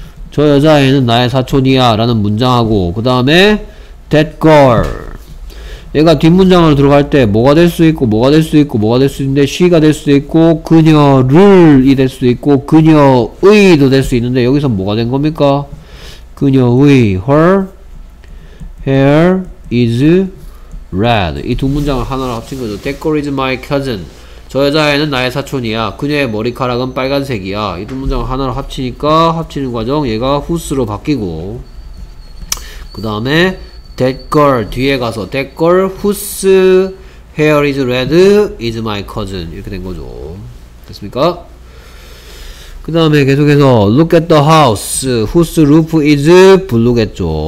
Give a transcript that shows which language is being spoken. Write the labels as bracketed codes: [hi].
[ko] 저 여자애는 나의 사촌이야 라는 문장하고, 그 다음에 [en] that girl, [ko] 얘가 뒷문장으로 들어갈 때 뭐가 될 수 있고 뭐가 될 수 있고 뭐가 될 수 있는데, she가 될 수 있고 그녀를이 될 수 있고 그녀의도 될 수 있는데, 여기서 뭐가 된 겁니까? 그녀의 [en] her hair is red. [ko] 이 두 문장을 하나로 합친 거죠. [en] Decor is my cousin. [ko] 저 여자애는 나의 사촌이야. 그녀의 머리카락은 빨간색이야. 이 두 문장을 하나로 합치니까 합치는 과정 얘가 whose로 바뀌고 그 다음에 that girl 뒤에 가서 [en] that girl whose hair is red is my cousin [ko] 이렇게 된 거죠. 됐습니까? 그 다음에 계속해서 [en] look at the house whose roof is blue겠죠.